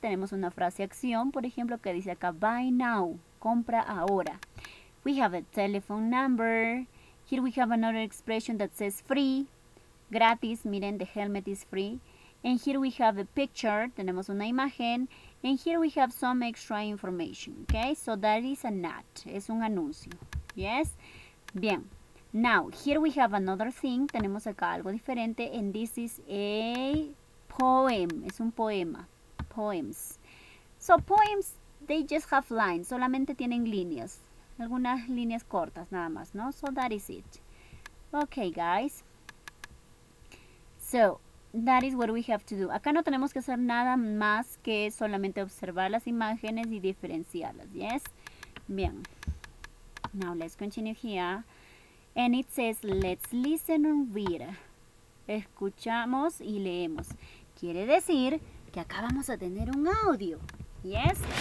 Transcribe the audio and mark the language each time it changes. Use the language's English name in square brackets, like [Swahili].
[Spanish] Tenemos una frase acción, por ejemplo, que dice acá, [English] buy now, [Spanish] compra ahora. [English] We have a telephone number. Here we have another expression that says free, gratis. Miren, the helmet is free. And here we have a picture, [Spanish] tenemos una imagen. [English] And here we have some extra information, okay? So that is an ad, [Spanish] es un anuncio, [English] yes? Bien, now, here we have another thing, [Spanish] tenemos acá algo diferente, [English] and this is a poem, [Spanish] es un poema, [English] poems. So poems, they just have lines, [Spanish] solamente tienen líneas, algunas líneas cortas nada más, [English] ¿no? So that is it. Okay, guys. So, that is what we have to do. [Spanish] Acá no tenemos que hacer nada más que solamente observar las imágenes y diferenciarlas, yes? [English] Bien. Now, let's continue here. And it says, let's listen and read. [Spanish] Escuchamos y leemos. Quiere decir que acá vamos a tener un audio. Yes?